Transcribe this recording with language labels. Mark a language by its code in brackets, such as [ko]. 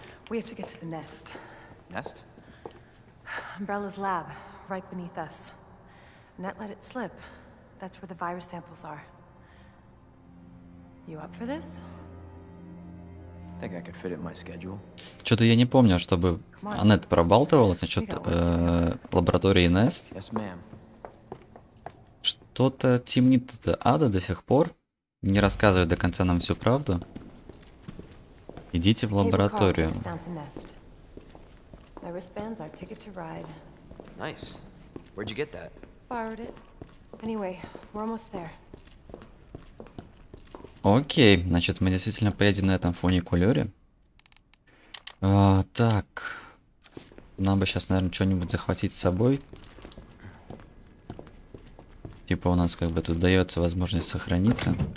[en] We have to get to the nest. Nest? Umbrella's lab, right beneath us. Net let it slip. That's where the virus samples are. You up for this? Think I could fit it in my schedule. [ru] Что-то я не помню, чтобы Аннет пробалтывалась насчет лаборатории Nest. [en] Yes, ma'am. [ru] Что-то темнит эта Ада до сих пор. Не рассказывает до конца нам всю правду. Идите в лабораторию. [en] My wristband's our ticket to ride. Nice. Where'd you get that? Borrowed it. Anyway, we're almost there. [ru] Окей, значит, мы действительно поедем на этом фуникулёре. Так. Нам бы сейчас, наверное, что-нибудь захватить с собой. Типа у нас как бы тут дается возможность сохраниться.